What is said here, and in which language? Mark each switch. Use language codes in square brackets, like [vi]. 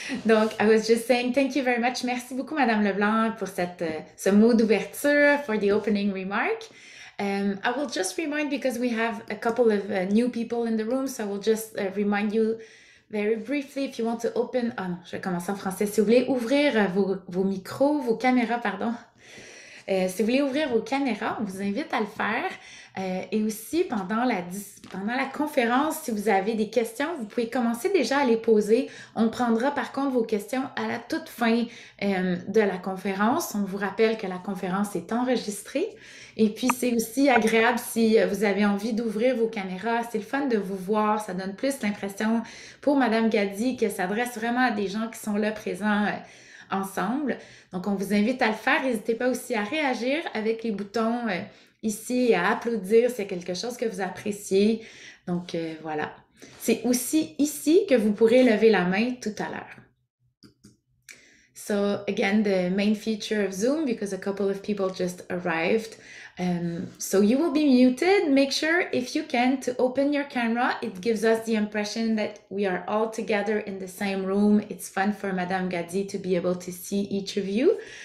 [en] Donc, I was just saying thank you very much. [fr] Merci beaucoup, Mme Leblanc, pour ce mot d'ouverture, [en] for the opening remark. I will just remind, because we have a couple of new people in the room, so I will just remind you very briefly, if you want to open... [fr] Ah non, je vais commencer en français. Si vous voulez ouvrir vos caméras. Si vous voulez ouvrir vos caméras, on vous invite à le faire. Et aussi, pendant la conférence, si vous avez des questions, vous pouvez commencer déjà à les poser. On prendra par contre vos questions à la toute fin de la conférence. On vous rappelle que la conférence est enregistrée. Et puis, c'est aussi agréable si vous avez envie d'ouvrir vos caméras. C'est le fun de vous voir. Ça donne plus l'impression pour Mme Gaddi qu'elle s'adresse vraiment à des gens qui sont là présents ensemble. Donc, on vous invite à le faire. N'hésitez pas aussi à réagir avec les boutons ici et à applaudir si c'est quelque chose que vous appréciez. Donc, voilà. C'est aussi ici que vous pourrez lever la main tout à l'heure. [en] So again, the main feature of Zoom, because a couple of people just arrived. So you will be muted. Make sure, if you can, to open your camera. It gives us the impression that we are all together in the same room. It's fun for Madame Gaddi to be able to see each of you.